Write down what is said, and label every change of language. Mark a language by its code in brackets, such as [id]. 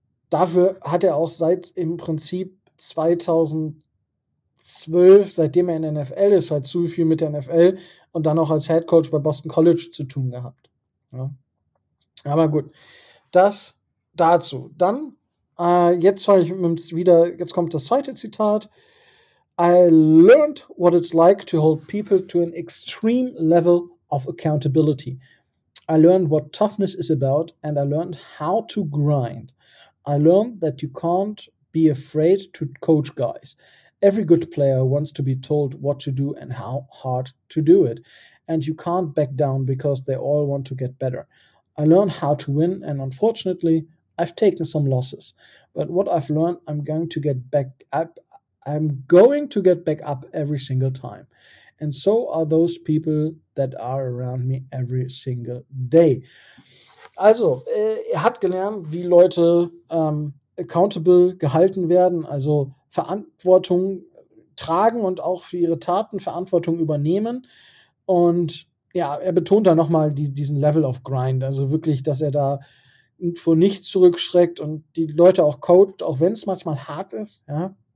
[de] Dafür hat er auch seit im Prinzip 2012, seitdem er in der NFL ist, halt zu viel mit der NFL und dann auch als Head Coach bei Boston College zu tun gehabt. Ja. Aber gut, das dazu. Dann, jetzt kommt das zweite Zitat. [en] I learned what it's like to hold people to an extreme level of accountability. I learned what toughness is about and I learned how to grind. I learned that you can't be afraid to coach guys. Every good player wants to be told what to do and how hard to do it. And you can't back down because they all want to get better. I learned how to win and unfortunately, I've taken some losses. But what I've learned, I'm going to get back up every single time. And so are those people that are around me every single day. [de] Also, er hat gelernt, wie Leute accountable gehalten werden, also Verantwortung tragen und auch für ihre Taten Verantwortung übernehmen. Und ja, er betont da nochmal diesen Level of Grind, also wirklich, dass er da vor nichts zurückschreckt und die Leute auch coacht, auch wenn es manchmal hart ist, ja.